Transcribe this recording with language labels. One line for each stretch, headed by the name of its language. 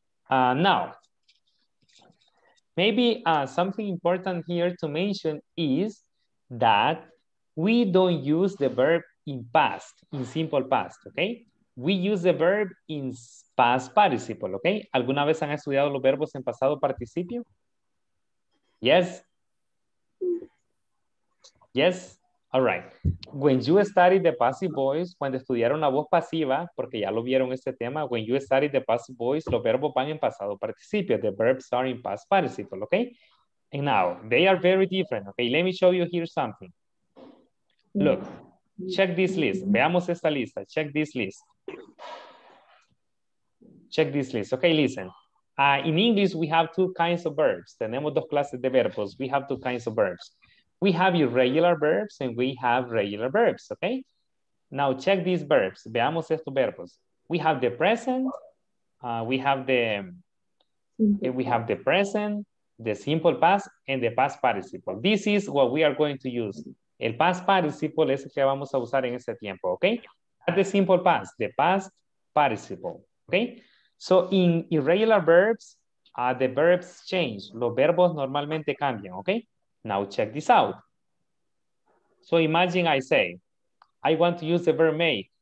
English: Now, maybe something important here to mention is that we don't use the verb in past, in simple past, okay? We use the verb in past participle, okay?
Spanish: ¿Alguna vez han estudiado los verbos en pasado participio?
English: Yes? Yes? All right. When you study the passive voice,
Spanish: cuando estudiaron la voz pasiva, porque ya lo vieron este tema,
English: when you study the passive voice,
Spanish: los verbos van en pasado participio.
English: The verbs are in past participle, okay? And now, they are very different, okay? Let me show you here something. Look, check this list.
Spanish: Veamos esta lista.
English: Check this list. Check this list. Okay, listen. In English, we have two kinds of verbs.
Spanish: Tenemos dos clases de verbos.
English: We have two kinds of verbs. We have irregular verbs and we have regular verbs, okay? Now check these verbs.
Spanish: Veamos estos verbos.
English: We have the present. We have the present, the simple past, and the past participle. This is what we are going to use.
Spanish: El past participle es el que vamos a usar en este tiempo, okay?
English: At the simple past, the past participle, okay? So in irregular verbs, the verbs change.
Spanish: Los verbos normalmente cambian, okay?
English: Now check this out. So imagine I say, I want to use the verb make.